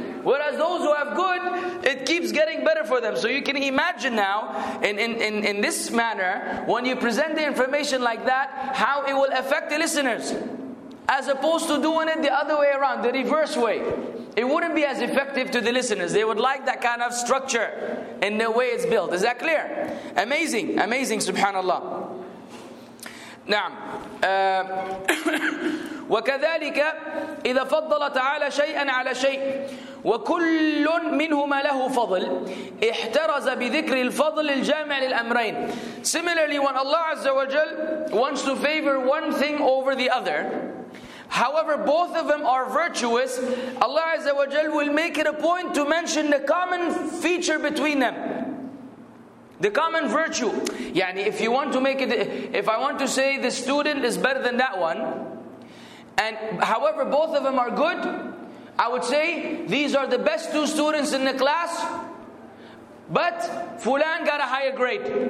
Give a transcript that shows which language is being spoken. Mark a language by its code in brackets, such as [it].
[en] Whereas those who have good, it keeps getting better for them. So you can imagine now, in this manner, when you present the information like that, how it will affect the listeners. As opposed to doing it the other way around, the reverse way. It wouldn't be as effective to the listeners. They would like that kind of structure in the way it's built. Is that clear? Amazing, amazing, subhanAllah. [ar] نعم وكذلك إذا فضل تعالى شيئا على شيء وكل منهما له فضل احترز بذكر الفضل الجامع للأمرين. [en] Similarly, when Allah Azza wa Jal wants to favor one thing over the other, however both of them are virtuous, Allah Azza wa Jal will make it a point to mention the common feature between them. The common virtue. Yani, if you want to make it, if I want to say the student is better than that one, and however both of them are good, I would say these are the best two students in the class, but Fulan got a higher grade.